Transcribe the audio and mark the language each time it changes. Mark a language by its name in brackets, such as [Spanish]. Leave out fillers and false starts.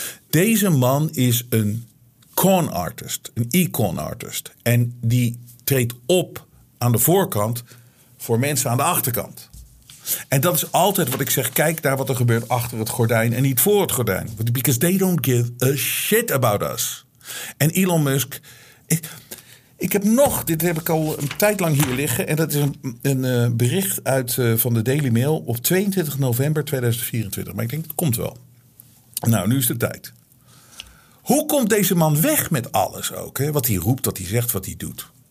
[Dutch] Deze man is een con artist, een econ artist. En die treedt op aan de voorkant voor mensen aan de achterkant. En dat is altijd wat ik zeg, kijk naar wat er gebeurt achter het gordijn en niet voor het gordijn. [English] Because they don't give a shit about us. [Dutch] En Elon Musk, ik heb nog, dit heb ik al een tijd lang hier liggen. En dat is een bericht uit van de Daily Mail op 22 november 2024. Maar ik denk, het komt wel. Nou, nu is de tijd. Hoe komt deze man weg met alles ook? Hè? Wat hij roept, wat hij zegt, wat hij doet.